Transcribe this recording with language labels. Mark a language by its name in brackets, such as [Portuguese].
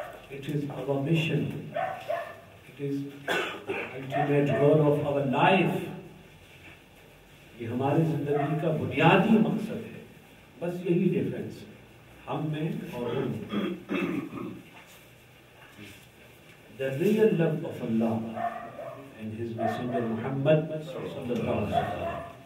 [English] It is our mission. It is the ultimate goal of our life. [Hindi] ये हमारे ज़िंदगी का बुनियादी मकसद है. बस यही [English] difference. [Hindi] हम में और उन [English] The real love of Allah and His Messenger Muhammad sallallahu alaihi wasallam.